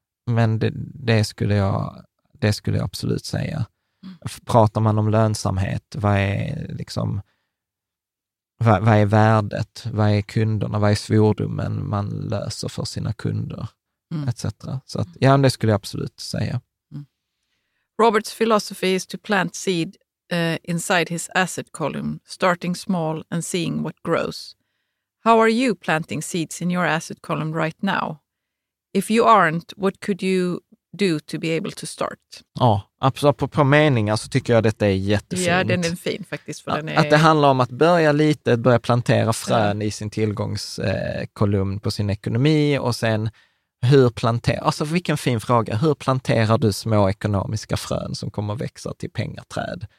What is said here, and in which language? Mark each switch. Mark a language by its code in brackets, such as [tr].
[sv] Men det skulle jag absolut säga. Pratar man om lönsamhet, vad är värdet, vad är kunderna, vad är svordomen man löser för sina kunder, etc. Så att, ja, det skulle jag absolut säga. [en] Robert's philosophy is to plant seed inside his asset column, starting small and seeing what grows. How are you planting seeds in your asset column right now? If you aren't, what could you do to be able to start? [sv] Ja, absolut. På meningar så tycker jag att detta är jättefint. Ja, den är fin faktiskt. För den är... Att det handlar om att börja lite, börja plantera frön i sin tillgångskolumn på sin ekonomi, och sen hur planterar, alltså vilken fin fråga, hur planterar du små ekonomiska frön som kommer att växa till pengaträd?